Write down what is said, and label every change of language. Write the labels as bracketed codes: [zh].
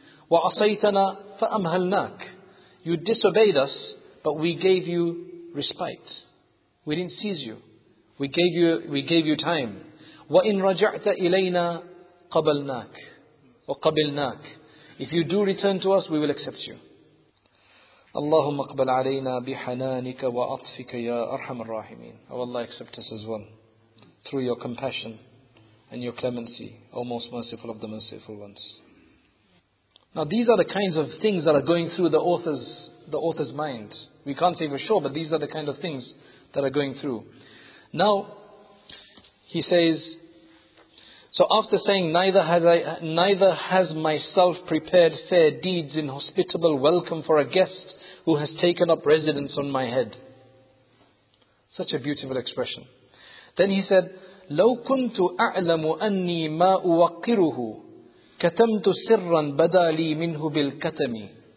[ar] وَعَصَيْتَنَا فَأَمْهَلْنَاكَ. [en] You disobeyed us, but we gave you respite. We didn't seize you. We gave you time. [ar] وَإِن رَجَعْتَ إِلَيْنَا قَبَلْنَاكَ وَقَبِلْنَاكَ. [en] If you do return to us, we will accept you. [ar] اللهم اقبل علينا بحنانك وعطفك يا أرحم الراحمين. [en] Oh Allah, accept us as one. Through your compassion and your clemency, O most merciful of the merciful ones. Now these are the kinds of things that are going through the author's mind. We can't say for sure, but these are the kind of things that are going through. Now, he says, so after saying, neither has myself prepared fair deeds in hospitable welcome for a guest who has taken up residence on my head. Such a beautiful expression. Then he said, [ar] لو كنت أعلم أني ما أوقره كتمت سرا بدا لي منه بالكتم.